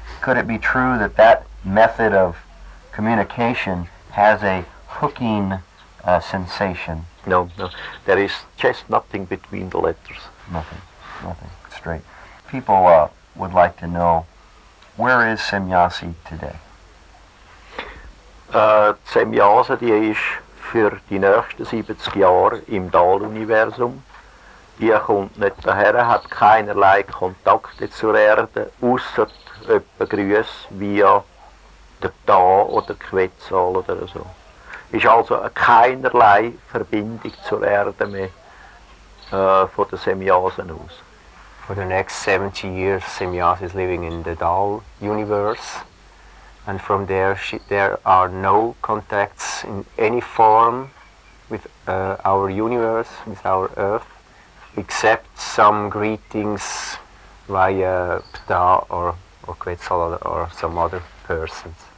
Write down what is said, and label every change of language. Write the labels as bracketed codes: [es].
[en] Could it be true that method of communication has a hooking sensation? No. There is just nothing between the letters. Nothing. Straight. People would like to know, where is Semyasi today? [de] Semyasi, die ist für die nächsten 70 Jahre im Dahl-Universum. Die kommt nicht daher, hat keinerlei Kontakte zur Erde, außer etwa Grüße via der Da oder Quetzal oder so. Ist also keinerlei Verbindung zur Erde mehr von den Semyasen aus. [en] For the next 70 years, Semyasi is living in the Dal universe, and from there there are no contacts in any form with our universe, with our Earth, except some greetings via Pta or Quetzal or some other persons.